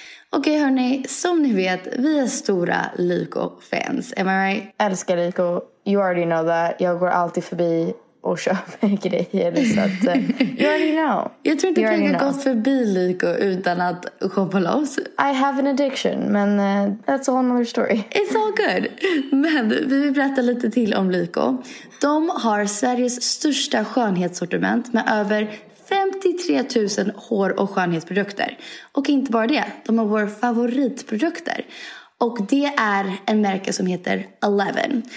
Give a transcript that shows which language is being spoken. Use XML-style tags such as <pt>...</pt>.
<sv>Okej, hörni, som ni vet, vi är stora Lyko-fans,</sv> <en>am I right?</en> <sv>Älskar Lyko,</sv> <en>you already know that.</en> <sv>Jag går alltid förbi och köper grejer, så att,</sv> <en>you already know.</en> <sv>Jag tror inte jag har gått förbi Lyko utan att shoppa loss.</sv> <en>I have an addiction,</en> <sv>men</sv> <en>that's all another story. It's all good.</en> <sv>Men vi vill berätta lite till om Lyko. De har Sveriges största skönhetssortiment med över 53 000 hår- och skönhetsprodukter. Och inte bara det, de har våra favoritprodukter. Och det är en märke som heter Eleven.</sv>